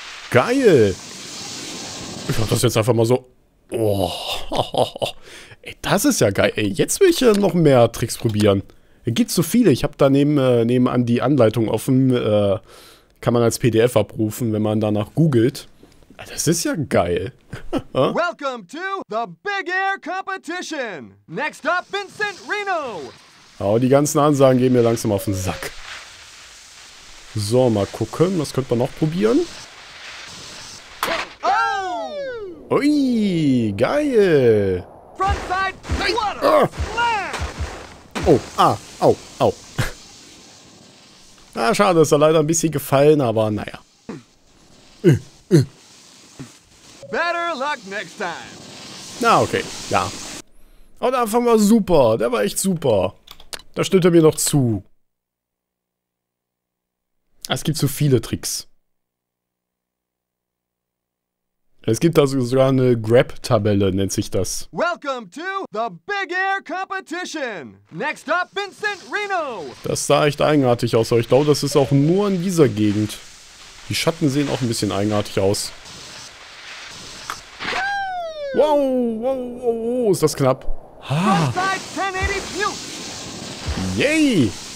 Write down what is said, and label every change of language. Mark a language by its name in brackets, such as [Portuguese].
[German] Geil! Ich mach das jetzt einfach mal so... Oh. Ey, Das ist ja geil. Ey, jetzt will ich noch mehr Tricks probieren. Es gibt so viele. Ich habe da nebenan die Anleitung offen. Kann man als PDF abrufen, wenn man danach googelt. Das ist ja geil. [English] Welcome to the Big Air Competition. Next up, Vincent Reno. [German] Oh, die ganzen Ansagen gehen mir langsam auf den Sack. So, mal gucken. Was könnte man noch probieren? Oh! Ui, geil. [English] Frontside, [German] nein. [English] Water, ah. Oh, ah, au, au. [German] Ah, schade, ist da leider ein bisschen gefallen, aber naja. [English] Better luck next time. [German] Na, okay, ja. Oh, der Anfang war super, der war echt super. Da stimmt er mir noch zu. Es gibt so viele Tricks. Es gibt da sogar eine Grab-Tabelle, nennt sich das. [English] Welcome to the Big Air Competition. Next up, Vincent Reno. [German] Das sah echt eigenartig aus, aber ich glaube, das ist auch nur in dieser Gegend. Die Schatten sehen auch ein bisschen eigenartig aus. Wow, wow, wow, wow, ist das knapp. Ha. Frontside 1080 Pute. Yay.